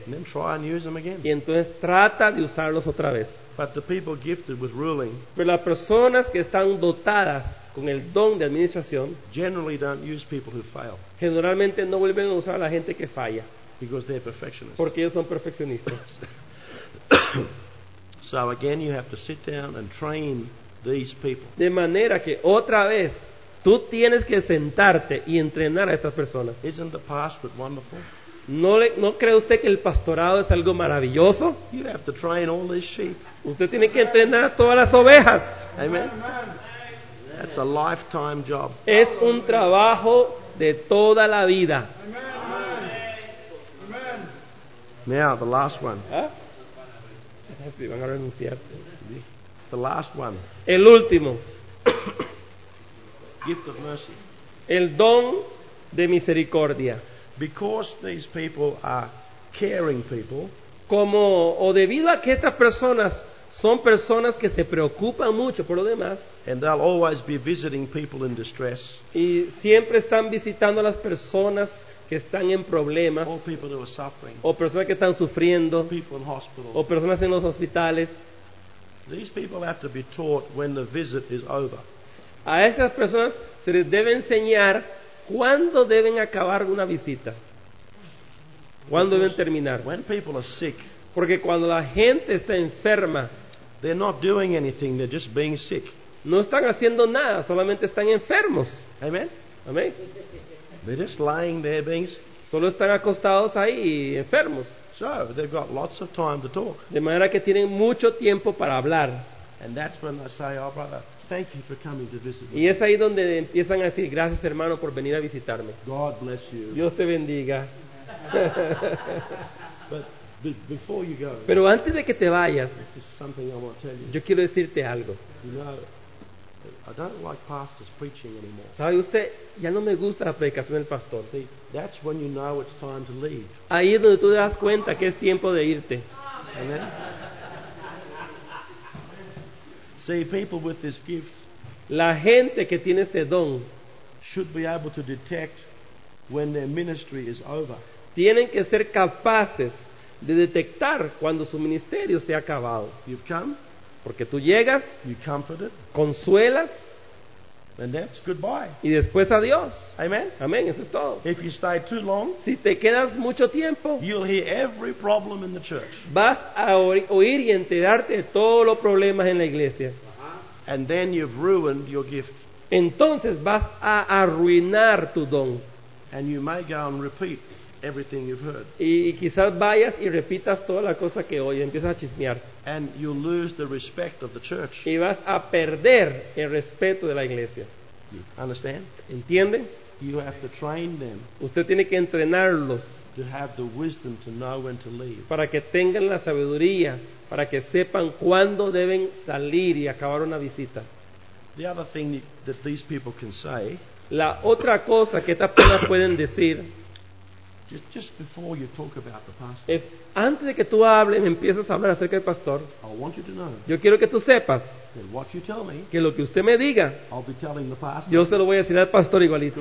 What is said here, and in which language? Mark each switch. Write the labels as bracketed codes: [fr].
[en] And then try and use them again. [es] Y entonces trata de usarlos otra vez. [en] But the people gifted with ruling. [es] Pero las personas que están dotadas con el don de administración. [en] Generally don't use people who fail. [es] Generalmente no vuelven a usar a la gente que falla. [en] Because they're perfectionists. [es] Porque ellos son perfeccionistas. [en] So again, you have to sit down and train these people. [es] De manera que otra vez, tú tienes que sentarte y entrenar a estas personas. [en] Isn't the pastorate wonderful? [es] ¿No cree usted que el pastorado es algo maravilloso? [en] You have to train all these sheep. [es] Usted tiene que entrenar a todas las ovejas. [en] Amen. Amen. That's a lifetime job. [es] Es un trabajo de toda la vida. [en] Amen. Amen. Now, the last one. [es] Sí, van a renunciar. [en] The last one. [es] El último. [en] Gift of mercy. [es] El don de misericordia. [en] Because these people are caring people. [es] Como o debido a que estas personas son personas que se preocupan mucho por lo demás. [en] And they'll always be visiting people in distress. [es] Y siempre están visitando a las personas que están en problemas, o personas que están sufriendo, o personas en los hospitales. [en] These people have to be taught when the visit is over. [es] A esas personas se les debe enseñar cuándo deben acabar una visita, cuándo deben terminar. [en] When people are sick, [es] porque cuando la gente está enferma, [en] they're not doing anything, they're just being sick. [es] No están haciendo nada, solamente están enfermos. [en] Amen. [es] Amen. [en] They're just lying there being sick. [es] Solo están acostados ahí enfermos. [en] So they've got lots of time to talk. [es] De manera que tienen mucho tiempo para hablar. [en] And that's when I say, oh brother, thank you for coming to visit me. [es] Y es ahí donde empiezan a decir, gracias hermano por venir a visitarme. [en] God bless you. [es] Dios te bendiga. [en] But before you go. [es] Pero antes de que te vayas, [en] this is something I want to tell you. [es] Yo quiero decirte algo. [en] You know, I don't like pastors preaching anymore. [es] ¿Sabe usted? Ya no me gusta la predicación del pastor. [en] See, that's when you know it's time to leave. [es] Ahí es donde tú te das cuenta que es tiempo de irte. [en] Amen. See, people with this gift, [es] la gente que tiene este don, [en] should be able to detect when their ministry is over. [es] Tienen que ser capaces de detectar cuando su ministerio se ha acabado. [en] You've come. [es] Porque tú llegas, [en] you comforted, [es] consuelas, [en] and that's goodbye. [es] Y después adiós. [en] Amen. [es] Amén, eso es todo. [en] If you stay too long, [es] si te quedas mucho tiempo, [en] you'll hear every problem in the church. [es] Vas a oír y enterarte de todos los problemas en la iglesia. [en] Uh-huh. And then you've ruined your gift. [es] Entonces vas a arruinar tu don. [en] And you may go and repeat everything you've heard. [es] Y quizás vayas y repitas toda la cosa que oyes, empiezas a chismear. [en] And you'll lose the respect of the church. [es] Y vas a perder el respeto de la iglesia. [en] Understand? [es] ¿Entiende? [en] You have to train them. [es] Usted tiene que entrenarlos. [en] To have the wisdom to know when to leave. [es] Para que tengan la sabiduría, para que sepan cuándo deben salir y acabar una visita. [en] The other thing that these people can say. [es] La otra cosa que estas personas pueden decir. [en] Just before you talk about the pastor. [es] Es antes de que tú hables, me empiezas a hablar acerca del pastor. [en] I want you to know. [es] Yo quiero que tú sepas. [en] That what you tell me, [es] que lo que usted me diga, [en] I'll be telling the pastor. [es] Yo se lo voy a decir al pastor igualito.